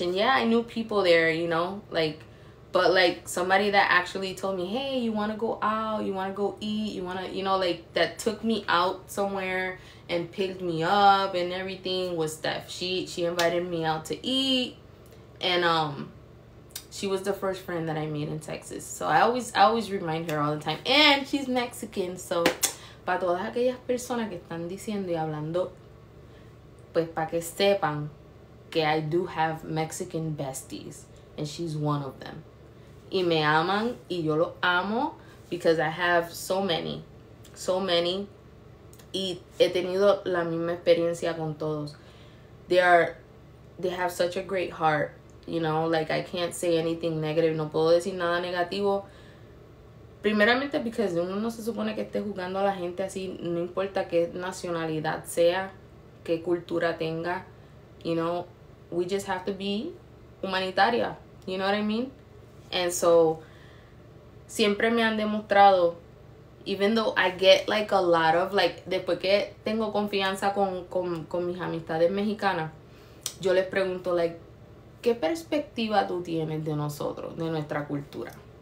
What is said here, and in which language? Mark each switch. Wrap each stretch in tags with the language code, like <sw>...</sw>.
<en>And yeah, I knew people there, you know? Like, but like somebody that actually told me, hey, you want to go out? You want to go eat? You want to, you know, like that took me out somewhere and picked me up and everything was Steph. She invited me out to eat. And she was the first friend that I made in Texas. So I always remind her all the time. And she's Mexican.</en> <es>So, para todas aquellas personas que están diciendo y hablando, pues para que sepan que</es> <en>I do have Mexican besties. And she's one of them.</en> <es>Y me aman y yo lo amo</es> <en>because I have so many. So many.</en> <es>Y he tenido la misma experiencia con todos.</es> <en>They have such a great heart. You know, like, I can't say anything negative.</en> <es>No puedo decir nada negativo. Primeramente, because uno no se supone que esté juzgando a la gente así. No importa qué nacionalidad sea, qué cultura tenga.</es> <en>You know, we just have to be humanitaria. You know what I mean?</en> <es>And so, siempre me han demostrado,</es> <en>even though I get, like, a lot of, like,</en> <es>después que tengo confianza con mis amistades mexicanas, yo les pregunto, like, ¿qué perspectiva tú tienes de nosotros, de nuestra cultura?</es>